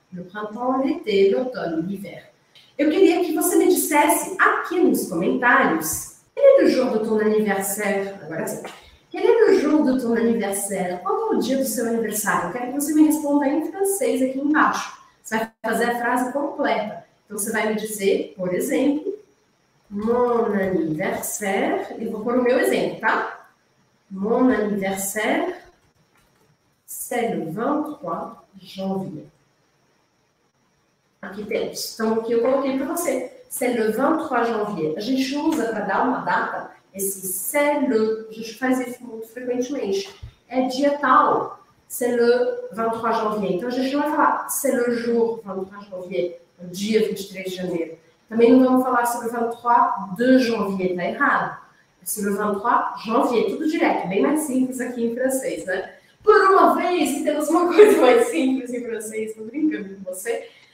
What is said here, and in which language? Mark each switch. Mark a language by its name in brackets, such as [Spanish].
[French] Le printemps, l'été, l'automne, l'hiver. [Portuguese] Eu queria que você me dissesse aqui nos comentários, [French] quel est le jour de ton anniversaire? [Portuguese] Agora sim. [French] Quel est le jour de ton anniversaire? [Portuguese] Qual é o dia do seu aniversário? Eu quero que você me responda em francês aqui embaixo. Você vai fazer a frase completa. Então, você vai me dizer, por exemplo, Mon anniversaire, e vou pôr o meu exemplo, tá? [French] Mon anniversaire, c'est le 23 janvier. [Portuguese] Aqui temos. Então, aqui eu coloquei para você. [French] C'est le 23 janvier. [Portuguese] A gente usa para dar uma data, esse [French] c'est le, [Portuguese] a gente faz isso muito frequentemente. É dia tal, [French] c'est le 23 janvier. [Portuguese] Então, a gente não vai falar [French] c'est le jour 23 janvier, [Portuguese] o dia 23 de janeiro. Também não vamos falar sobre o 23 de janvier, tá errado. É sobre o 23 janvier, tudo direto, bem mais simples aqui em francês, né? Por uma vez, temos uma coisa mais simples em francês, tô brincando com você.